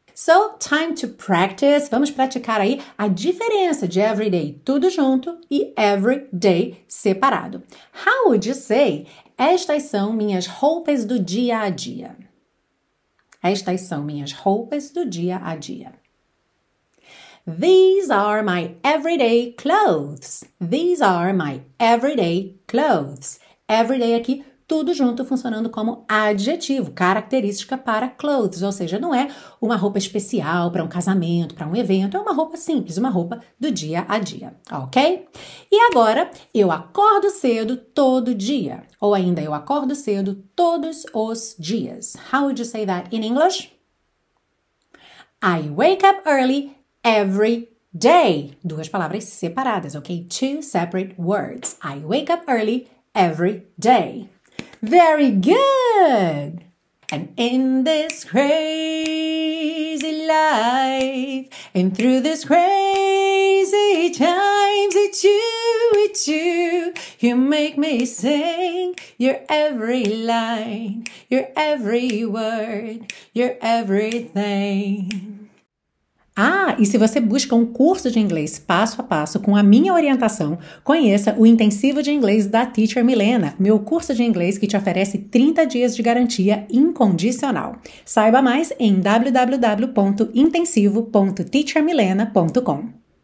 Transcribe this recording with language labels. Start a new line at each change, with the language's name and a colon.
English: So, time to practice.
Portuguese: Vamos praticar aí a diferença de everyday tudo junto e everyday separado.
English: How would you say,
Portuguese: estas são minhas roupas do dia a dia? Estas são minhas roupas do dia a dia.
English: These are my everyday clothes. These are my everyday clothes.
Portuguese: Everyday aqui, tudo junto, funcionando como adjetivo, característica para clothes, ou seja, não é uma roupa especial para um casamento, para um evento, é uma roupa simples, uma roupa do dia a dia, ok? E agora, eu acordo cedo todo dia, ou ainda, eu acordo cedo todos os dias.
English: How would you say that in English? I wake up early every day.
Portuguese: Duas palavras separadas, ok?
English: Two separate words. I wake up early every day. Very good! And in this crazy life, and through this crazy times, it's you, you make me sing your every line, your every word, your everything.
Portuguese: Ah, e se você busca um curso de inglês passo a passo com a minha orientação, conheça o Intensivo de Inglês da Teacher Milena, meu curso de inglês que te oferece 30 dias de garantia incondicional. Saiba mais em www.intensivo.teachermilena.com.